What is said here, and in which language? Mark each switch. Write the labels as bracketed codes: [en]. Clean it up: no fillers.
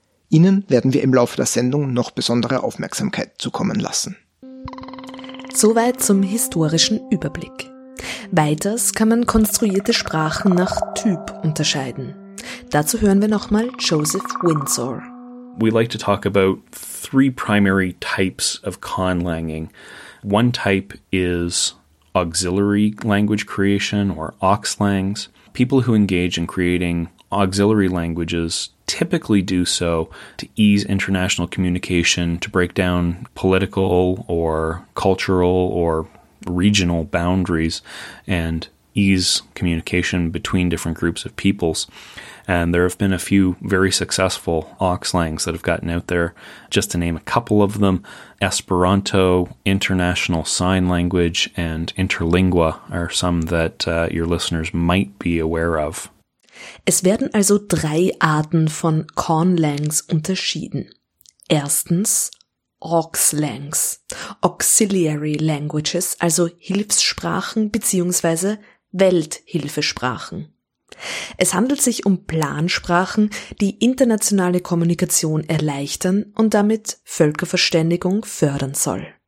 [de] Ihnen werden wir im Laufe der Sendung noch besondere Aufmerksamkeit zukommen lassen. Soweit zum historischen Überblick. Weiters kann man konstruierte Sprachen nach Typ unterscheiden. Dazu hören wir nochmal Joseph Windsor. [en] We like to talk about three primary types of conlanging. One type is auxiliary language creation, or auxlangs. People who engage in creating auxiliary languages typically do so to ease international communication, to break down political or cultural or regional boundaries, and ease communication between different groups of peoples. And there have been a few very successful auxlangs that have gotten out there. Just to name a couple of them, Esperanto, International Sign Language, and Interlingua are some that your listeners might be aware of. [de] Es werden also drei Arten von Conlangs unterschieden. Erstens, Auxlangs, Auxiliary Languages, also Hilfssprachen bzw. Welthilfesprachen. Es handelt sich um Plansprachen, die internationale Kommunikation erleichtern und damit Völkerverständigung fördern soll.